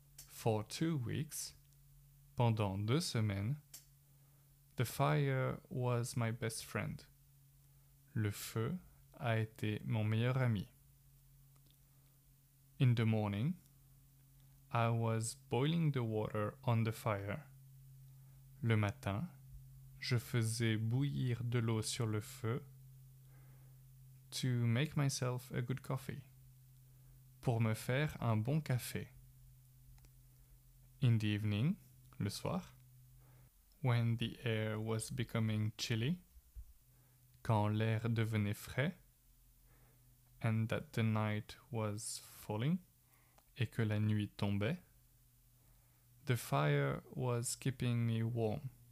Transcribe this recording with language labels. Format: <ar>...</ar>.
<en>For 2 weeks,</en> <fr>pendant 2 semaines,</fr> <en>the fire was my best friend.</en> <fr>Le feu a été mon meilleur ami.</fr> <en>In the morning, I was boiling the water on the fire.</en> <fr>Le matin, je faisais bouillir de l'eau sur le feu</fr> <en>to make myself a good coffee,</en> <fr>pour me faire un bon café.</fr> <en>In the evening,</en> <fr>le soir,</fr> <en>when the air was becoming chilly,</en> <fr>quand l'air devenait frais,</fr> <en>and that the night was falling,</en> <fr>et que la nuit tombait,</fr> <en>the fire was keeping me warm.</en>